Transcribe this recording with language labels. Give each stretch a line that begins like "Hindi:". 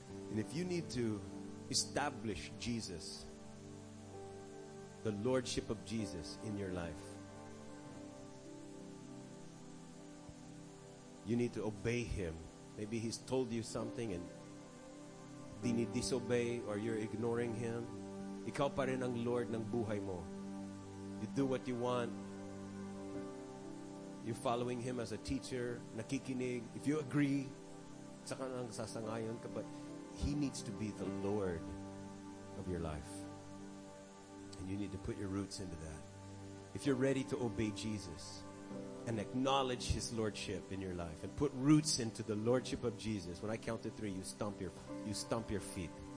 English: And if you need to establish Jesus, the Lordship of Jesus in your life, you need to obey Him. Maybe He's told you something and
Filipino: dinidisobey,
English: or you're ignoring Him.
Filipino: Ikaw pa rin ang Lord ng buhay mo.
English: You do what you want. You're following Him as a teacher,
Filipino: nakikinig.
English: If you agree,
Filipino: saka nang sasangayon ka,
English: but He needs to be the Lord of your life. And you need to put your roots into that. If you're ready to obey Jesus and acknowledge His Lordship in your life and put roots into the Lordship of Jesus, when I count to three, you stomp your feet.